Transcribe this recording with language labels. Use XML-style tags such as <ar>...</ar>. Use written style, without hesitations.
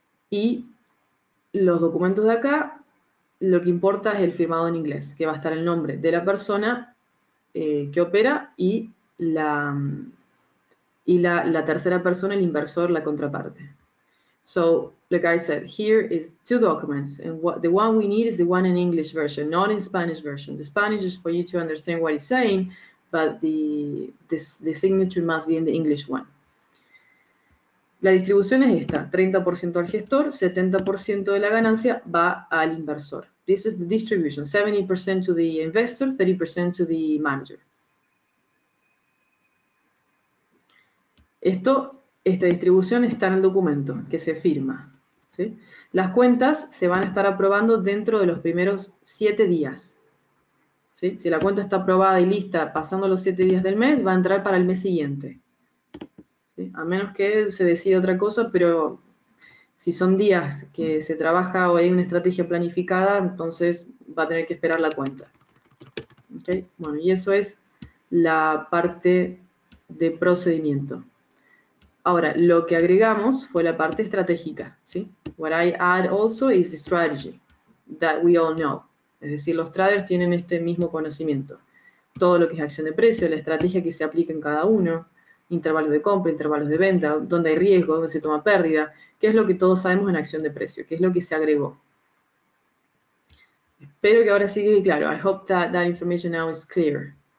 <es>Y los documentos de acá, lo que importa es el firmado en inglés, que va a estar el nombre de la persona que opera y la tercera persona, el inversor, la contraparte.</es> <en>So, like I said, here is two documents. And what the one we need is the one in English version, not in Spanish version. The Spanish is for you to understand what it's saying, but the signature must be in the English one.</en> <es>La distribución es esta: 30% al gestor, 70% de la ganancia va al inversor.</es> <en>This is the distribution: 70% to the investor, 30% to the manager.</en> <es>Esta distribución está en el documento que se firma, ¿sí? Las cuentas se van a estar aprobando dentro de los primeros 7 días, ¿sí? Si la cuenta está aprobada y lista pasando los 7 días del mes, va a entrar para el mes siguiente, ¿sí? A menos que se decida otra cosa, pero si son días que se trabaja o hay una estrategia planificada, entonces va a tener que esperar la cuenta. ¿Okay? Bueno, y eso es la parte de procedimiento. Ahora, lo que agregamos fue la parte estratégica, ¿sí?</es> <en>What I add also is the strategy that we all know.</en> <es>Es decir, los traders tienen este mismo conocimiento. Todo lo que es acción de precio, la estrategia que se aplica en cada uno, intervalos de compra, intervalos de venta, dónde hay riesgo, dónde se toma pérdida, qué es lo que todos sabemos en acción de precio, qué es lo que se agregó. Espero que ahora sí quede claro.</es> <en>I hope that information now is clear.</en>